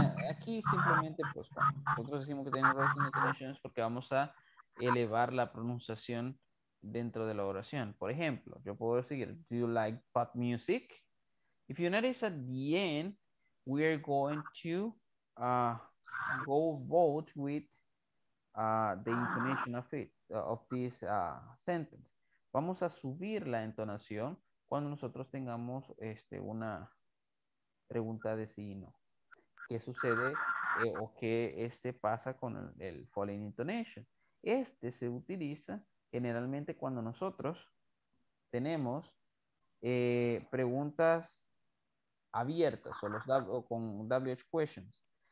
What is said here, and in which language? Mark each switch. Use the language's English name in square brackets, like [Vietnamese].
[Spanish] Aquí simplemente, pues, cuando nosotros decimos que tienen rising intonation es porque vamos a elevar la pronunciación dentro de la oración. Por ejemplo, yo puedo decir, [English] do you like pop music? If you notice at the end, we are going to go both with the intonation of it. Of this sentence. [Spanish] Vamos a subir la entonación cuando nosotros tengamos una pregunta de sí y no. ¿Qué sucede o qué pasa con el falling intonation? Este se utiliza generalmente cuando nosotros tenemos preguntas abiertas o, con WH questions.